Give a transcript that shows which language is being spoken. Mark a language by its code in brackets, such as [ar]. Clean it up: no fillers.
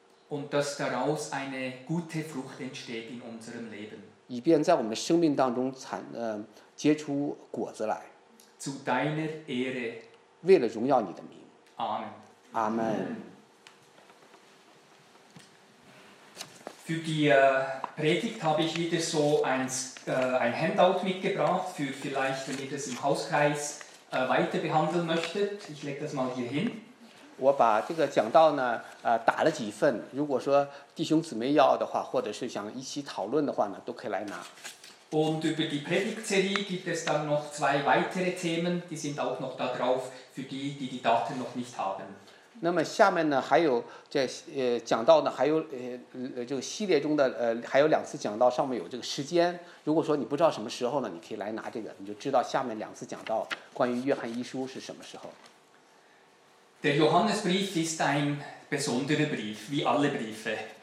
[de] Und dass daraus eine gute Frucht entsteht in unserem Leben. [zh] 以便在我们的生命当中结出果子来。 [de] Zu deiner Ehre. [zh] 为了荣耀你的名。 [de] Amen. Amen. Für die Predigt habe ich wieder so ein Handout mitgebracht, für vielleicht, wenn ihr das im Hauskreis weiter behandeln möchtet. Ich lege das mal hier hin. [zh] 我把这个讲道呢打了几份，如果说弟兄姊妹要的话，或者是想一起讨论的话呢，都可以来拿。 [de] Und über die Predigtserie gibt es dann noch zwei weitere Themen, die sind auch noch da drauf, für die Daten noch nicht haben. [zh] 那么下面呢还有这讲到呢还有这个系列中的还有两次讲到上面有这个时间，如果说你不知道什么时候呢，你可以来拿这个，你就知道下面两次讲到关于约翰一书是什么时候。 [de] Der Johannesbrief ist ein besonderer Brief, wie alle Briefe.